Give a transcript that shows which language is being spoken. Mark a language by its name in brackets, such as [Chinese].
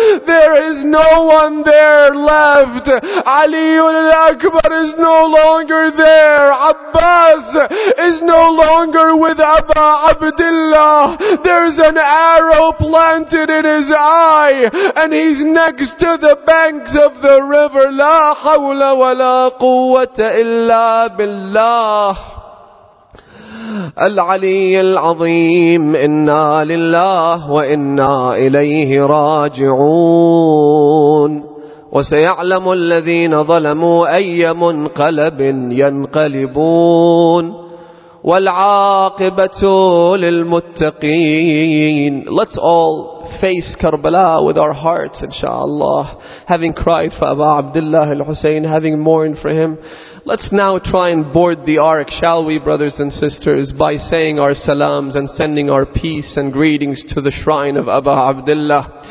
[English] There is no one there left. Ali al-Akbar is no longer there. Abbas is no longer with Abu Abdullah. There is an arrow planted in his eye, and he's next to the banks of the river. [Arabic] لا حول ولا قوة إلا بالله العلي العظيم. إنا لله وإنا إليه راجعون. وسيعلم الذين ظلموا أي منقلب ينقلبون. والعاقبة للمتقين. [English] Let's all face Karbala with our hearts, inshallah. Having cried for Abu Abdullah al-Husayn, having mourned for him, let's now try and board the ark, shall we, brothers and sisters, by saying our salams and sending our peace and greetings to the shrine of Abu Abdullah.